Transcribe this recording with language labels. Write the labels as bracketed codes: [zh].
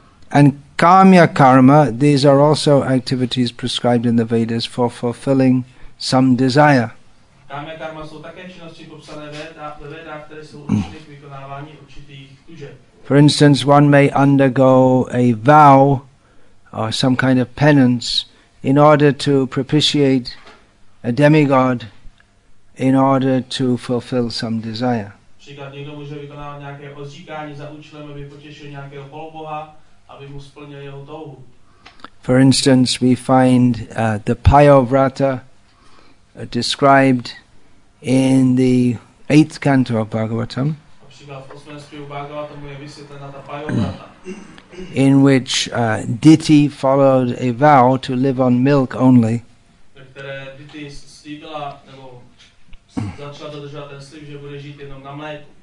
[en] And kamya karma, these are also activities prescribed in the Vedas for fulfilling some desire. [cs] Kamya karma jsou také činnosti popsané ve Vedách, které jsou určitě k vykonávání určitých tužeb. [en] For instance, one may undergo a vow or some kind of penance in order to propitiate a demigod in order to fulfill some desire. [cs] Příklad, někdo může vykonávat nějaké odříkání za účelem, aby potěšil nějakého poloboha, aby mu splnil jeho touhu. [en] For instance, we find the Payovrata described in the 8th canto of Bhagavatam. [cs] Například v 8. zpěvu Bhagavatamu je vysvětlena ta Payovrata. [en] In which Diti followed a vow to live on milk only. [cs] Ve které Diti slíbila, nebo začala dodržovat ten slib, že bude žít jenom na mléku.